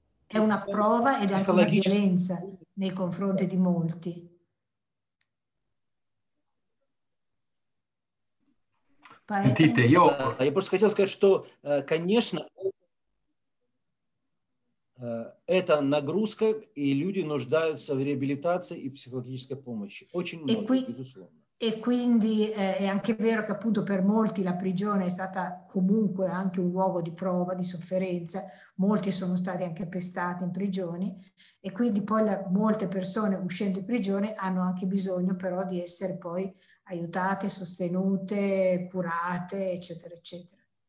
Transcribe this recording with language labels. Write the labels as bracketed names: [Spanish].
[Russian] психологическая [Italian] violenza nei confronti di molti. [Russian] Я просто хотел сказать, что, конечно, это нагрузка, и люди нуждаются в реабилитации и психологической помощи. Очень много, безусловно. [Italian] E quindi è anche vero che appunto per molti la prigione è stata comunque anche un luogo di prova, di sofferenza, molti sono stati anche pestati in prigioni e quindi poi molte persone uscendo in prigione hanno anche bisogno però di essere poi aiutate, sostenute, curate, eccetera, eccetera.